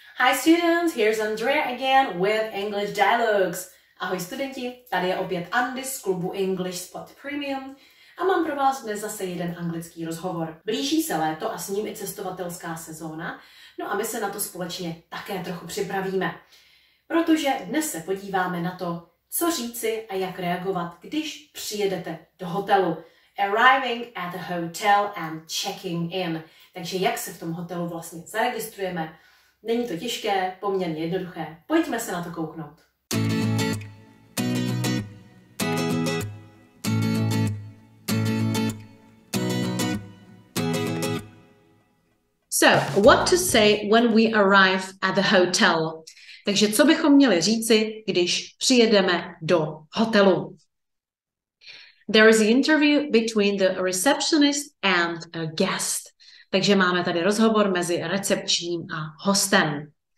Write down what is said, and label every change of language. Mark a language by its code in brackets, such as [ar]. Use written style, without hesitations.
[en] Hi students, here's Andrea again with English Dialogues. [cs] Ahoj studenti, tady je opět Andy z klubu English Spot Premium a mám pro vás dnes zase jeden anglický rozhovor. Blíží se léto a s ním i cestovatelská sezóna, no a my se na to společně také trochu připravíme. Protože dnes se podíváme na to, co říci a jak reagovat, když přijedete do hotelu. [en] Arriving at a hotel and checking in. [cs] Takže jak se v tom hotelu vlastně zaregistrujeme? Není to těžké, poměrně jednoduché. Pojďme se na to kouknout. [en] So, what to say when we arrive at the hotel? [cs] Takže co bychom měli říci, když přijedeme do hotelu? [en] There is an interview between the receptionist and a guest. [cs] Takže máme tady rozhovor mezi recepčním a hostem.